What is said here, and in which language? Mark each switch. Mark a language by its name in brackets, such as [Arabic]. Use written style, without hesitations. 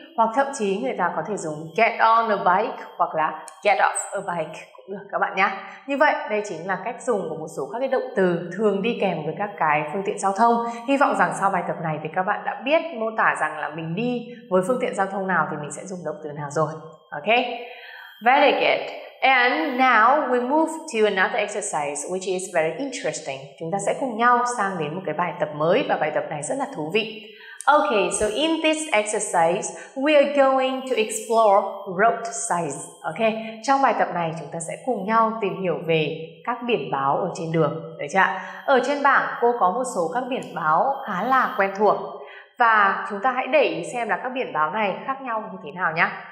[Vietnamese] Hoặc thậm chí người ta có thể dùng [English] get on a bike [Vietnamese] hoặc là [English] get off a bike [Vietnamese] cũng được các bạn nhé. Như vậy đây chính là cách dùng của một số các cái động từ thường đi kèm với các cái phương tiện giao thông. Hy vọng rằng sau bài tập này thì các bạn đã biết mô tả rằng là mình đi với phương tiện giao thông nào thì mình sẽ dùng động từ nào rồi. [English] Ok, very good. And now we move to another exercise which is very interesting. [Vietnamese] Chúng ta sẽ cùng nhau sang đến một cái bài tập mới và bài tập này rất là thú vị. [English] Okay, so in this exercise, we are going to explore road signs. [Vietnamese] Okay, trong bài tập này chúng ta sẽ cùng nhau tìm hiểu về các biển báo ở trên đường, được chưa? Ở trên bảng cô có một số các biển báo khá là quen thuộc và chúng ta hãy để ý xem là các biển báo này khác nhau như thế nào nhé.